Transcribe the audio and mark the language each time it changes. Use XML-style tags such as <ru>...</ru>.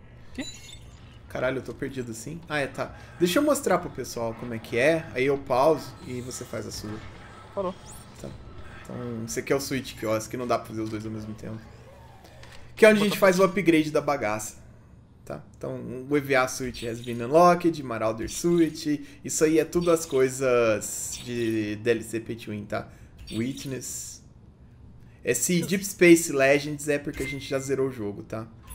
<pt>Aqui? Caralho, eu tô perdido assim. Ah, é, tá. Deixa eu mostrar pro pessoal como é que é, aí eu pauso e você faz a sua. Falou. Tá. Então, esse aqui é o Switch Kiosk, que não dá pra fazer os dois ao mesmo tempo. Que é onde a gente faz o upgrade da bagaça. Tá? Então, o</pt> <en>EVA Switch has been unlocked,</en> <pt>Marauder Switch. Isso aí é tudo as coisas de DLC Pay2Win, tá? Witness. Esse Deep Space Legends é porque a gente já zerou o jogo, tá?</pt>